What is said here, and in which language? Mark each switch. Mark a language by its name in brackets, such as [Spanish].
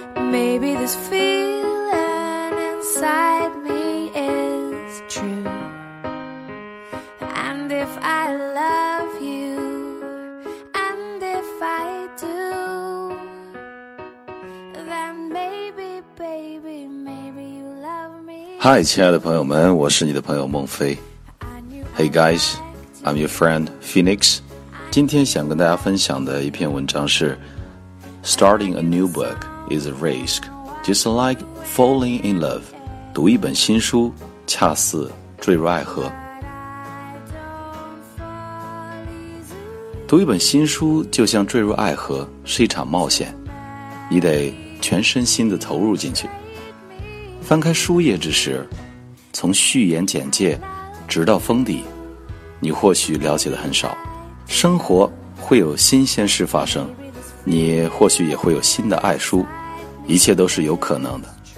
[English] Maybe this feeling inside me is true. And if I love you, and if I do, then maybe, baby, maybe you love me. [Chinese] Hi, 亲爱的朋友们，我是你的朋友孟非。 [English] Hey guys, I'm your friend Phoenix. [Chinese] 今天想跟大家分享的一篇文章是 [English] Starting a new book is a risk, just like falling in love. [Chinese] 读一本新书恰似坠入爱河。读一本新书就像坠入爱河，是一场冒险，你得全身心地投入进去。翻开书页之时，从序言简介直到封底，你或许了解的很少，生活会有新鲜事发生，你或许也会有新的爱书，一切都是有可能的。